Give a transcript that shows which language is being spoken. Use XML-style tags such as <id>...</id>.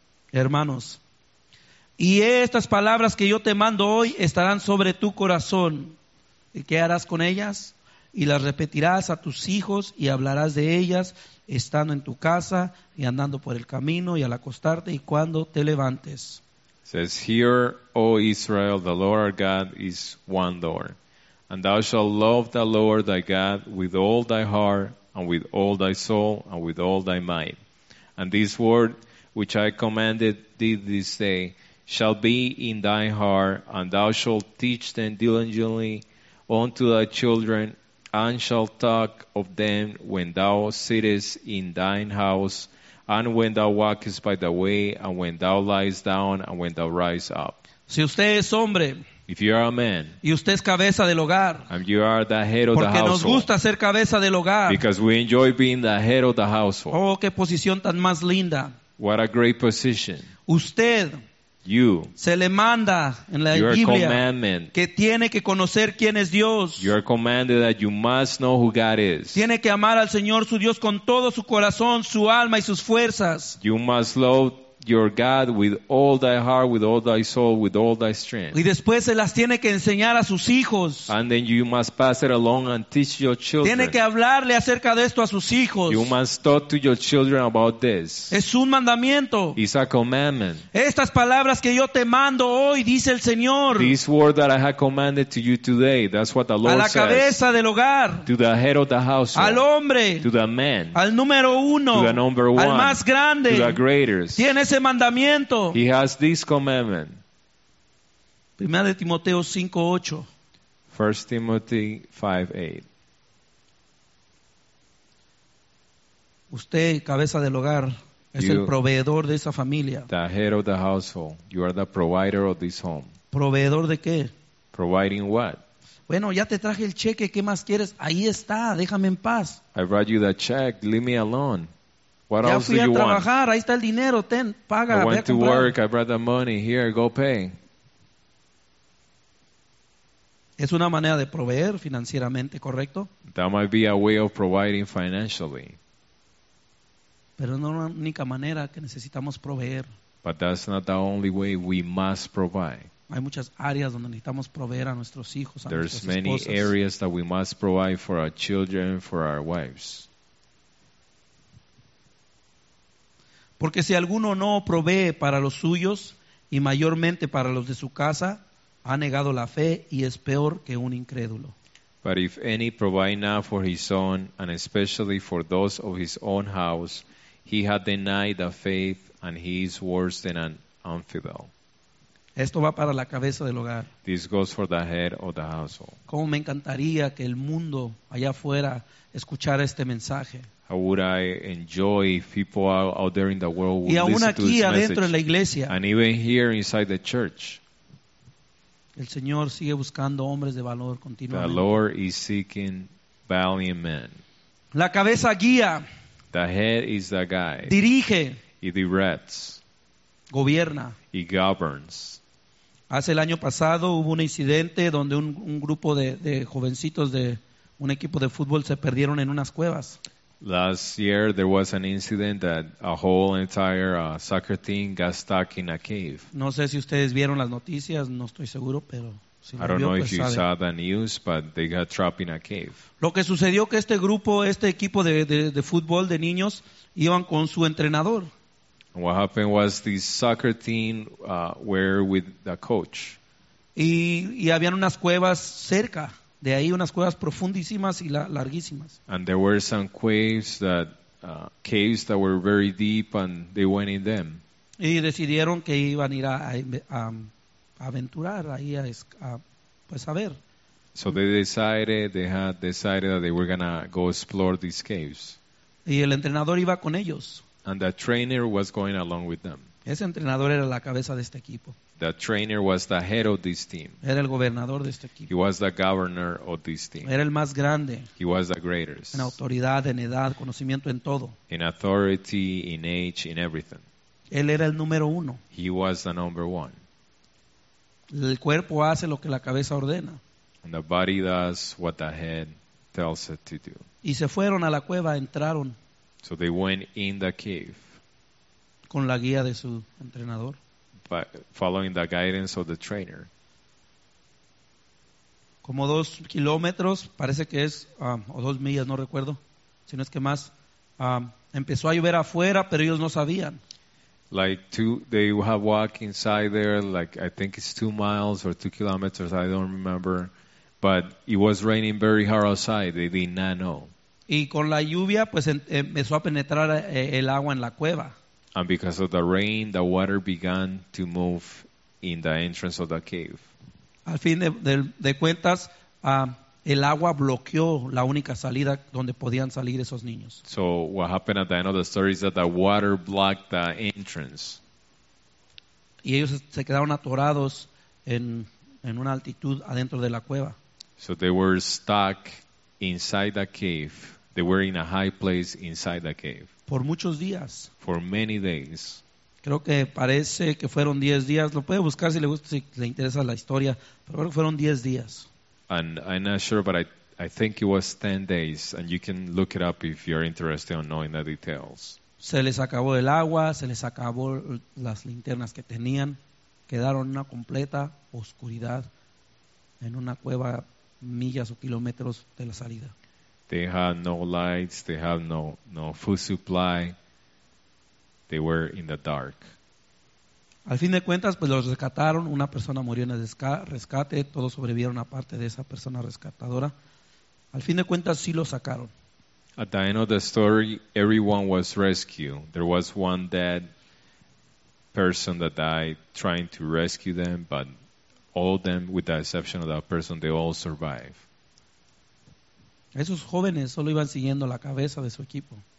<es>Hermanos, y estas palabras que yo te mando hoy estarán sobre tu corazón. ¿Y qué harás con ellas? Y las repetirás a tus hijos y hablarás de ellas estando en tu casa y andando por el camino y al acostarte y cuando te levantes.</es> <en>It says, hear, O Israel, the Lord our God is one Lord. And thou shalt love the Lord thy God with all thy heart and with all thy soul and with all thy might. And this word which I commanded thee this day shall be in thy heart, and thou shalt teach them diligently unto thy children, and shall talk of them when thou sittest in thine house, and when thou walkest by the way, and when thou liest down, and when thou rise up.</en> <es>Si usted es hombre,</es> <en>if you are a man,</en> <es>y usted es cabeza del hogar,</es> <en>and you are the head of the household,</en> <es>porque nos gusta ser cabeza del hogar,</es> <en>because we enjoy being the head of the household.</en> <es>Oh, qué posición tan más linda.</es> <en>What a great position.</en> <es>Usted.</es> <en>You,</en> <es>se le manda en la Biblia que tiene que conocer quién es Dios.</es> <en>You are commanded that you must know who God is.</en> <es>Tiene que amar al Señor su Dios con todo su corazón, su alma y sus fuerzas.</es> <en>You must love your God with all thy heart, with all thy soul, with all thy strength.</en> <es>Y después se las tiene que enseñar a sus hijos.</es> <en>And then you must pass it along and teach your children.</en> <es>Tiene que hablarle acerca de esto a sus hijos.</es> <en>You must talk to your children about this.</en> <es>Es un mandamiento.</es> <en>It's a commandment.</en> <es>Estas palabras que yo te mando hoy, dice el Señor.</es> <en>This word that I have commanded to you today, that's what the Lord says.</en> <es>A la cabeza del hogar.</es> <en>To the head of the household.</en> <es>Al hombre.</es> <en>To the man.</en> <es>Al número uno.</es> <en>To the number one.</en> <es>Al más grande.</es> <en>To the greatest.</en> <es>Tiene ese mandamiento.</es> <en>He has this commandment.</en> <es>Primera de Timoteo 5:8.</es> <en>1 Timothy 5:8.</en> <es>Usted, cabeza del hogar, es el proveedor de esa familia.</es> <en>The head of the household. You are the provider of this home.</en> <es>¿Proveedor de qué?</es> <en>Providing what?</en> <es>Bueno, ya te traje el cheque, ¿qué más quieres? Ahí está, déjame en paz.</es> <en>I brought you the check, leave me alone. What</en> <es>ya</es> <en>else</en> <es>fui</es> <en>do you</en> <es>a trabajar,</es> <en>want?</en> <es>Ahí está el dinero, ten, paga.</es> <en>I went to work, I brought the money, here, go pay.</en> <es>Es una manera de proveer financieramente, ¿correcto?</es> <en>That might be a way of providing financially.</en> <es>Pero no es la única manera que necesitamos proveer.</es> <en>But that's not the only way we must provide.</en> <es>Hay muchas áreas donde necesitamos proveer a nuestros hijos, a</es> <en>There's</en> <es>nuestras</es> <en>many</en> <es>esposas.</es> <en>Areas that we must provide for our children, for our wives.</en> <es>Porque si alguno no provee para los suyos y mayormente para los de su casa, ha negado la fe y es peor que un incrédulo.</es> <en>But if any provide not for his own and especially for those of his own house, he hath denied the faith and he is worse than an infidel.</en> <es>Esto va para la cabeza del hogar.</es> <en>This goes for the head of the household.</en> <es>Cómo me encantaría que el mundo allá afuera escuchara este mensaje.</es> <en>How would I enjoy if people out there in the world would listen to this message.</en> <es>Y aún aquí adentro en la iglesia.</es> <en>And even here inside the church.</en> <es>El Señor sigue buscando hombres de valor continuamente.</es> <en>The Lord is seeking valiant men.</en> <es>La cabeza guía.</es> <en>The head is the guide.</en> <es>Dirige.</es> <en>He directs.</en> <es>Gobierna.</es> <en>He governs.</en> <es>Hace el año pasado hubo un incidente donde un grupo de jovencitos de un equipo de fútbol se perdieron en unas cuevas.</es> <en>Last year there was an incident that a whole entire soccer team got stuck in a cave.</en> <es>No sé si ustedes vieron las noticias, no estoy seguro, pero si</es> <en>I don't</en> <es>vio,</es> <en>know</en> <es>pues</es> <en>if you</en> <es>sabe.</es> <en>Saw the news, but they got trapped in a cave.</en> <es>Lo que sucedió que este grupo, este equipo de fútbol de niños iban con su entrenador.</es> <en>What happened was the soccer team were with the coach.</en> <es>Y habían unas cuevas cerca. De ahí unas cuevas profundísimas y larguísimas.</es> <en>And there were some caves that were very deep and they went in them.</en> <es>Y decidieron que iban a ir a aventurar ahí pues a ver.</es> <en>So they had decided that they were going to go explore these caves.</en> <es>Y el entrenador iba con ellos.</es> <en>And the trainer was going along with them.</en> <es>Ese entrenador era la cabeza de este equipo.</es> <en>The trainer was the head of this team.</en> <es>Era el gobernador de este equipo.</es> <en>He was the governor of this team.</en> <es>Era el más grande.</es> <en>He was the greatest.</en> <es>En autoridad, en edad, conocimiento en todo.</es> <en>In authority, in age, in everything.</en> <es>Él era el número uno.</es> <en>He was the number one.</en> <es>El cuerpo hace lo que la cabeza ordena.</es> <en>And the body does what the head tells it to do.</en> <es>Y se fueron a la cueva, entraron.</es> <en>So they went in the cave.</en> <es>Con la guía de su entrenador.</es> <en>But following the guidance of the trainer.</en> <es>Como 2 kilómetros, parece que es, o 2 millas, no recuerdo, si no es que más, empezó a llover afuera, pero ellos no sabían.</es> <en>Like they have walked inside there, like I think it's 2 miles or 2 kilometers, I don't remember. But it was raining very hard outside, they did not know.</en> <es>Y con la lluvia, pues empezó a penetrar el agua en la cueva.</es> <en>And because of the rain, the water began to move in the entrance of the cave.</en> <es>Al fin de cuentas, el agua bloqueó la única salida donde podían salir esos niños.</es> <en>So what happened at the end of the story is that the water blocked the entrance.</en> <es>Y ellos se quedaron atorados en una altitud adentro de la cueva.</es> <en>So they were stuck inside the cave. They were in a high place inside the cave.</en> <es>Por muchos días.</es> <en>For many days.</en> <es>Creo que parece que fueron 10 días. Lo puede buscar si le gusta, si le interesa la historia. Pero creo que fueron 10 días.</es> <en>And I'm not sure, but I think it was 10 days. And you can look it up if you're interested in knowing the details.</en> <es>Se les acabó el agua. Se les acabó las linternas que tenían. Quedaron en una completa oscuridad. En una cueva millas o kilómetros de la salida.</es> <en>They had no lights, they had no food supply. They were in the dark.</en> <es>Al fin de cuentas, pues los rescataron. Una persona murió en el rescate. Todos sobrevivieron aparte de esa persona rescatadora. Al fin de cuentas, sí los sacaron.</es> <en>At the end of the story, everyone was rescued. There was one dead person that died trying to rescue them, but all of them, with the exception of that person, they all survived.</en> <es>Esos jóvenes solo iban siguiendo la cabeza de su equipo.</es>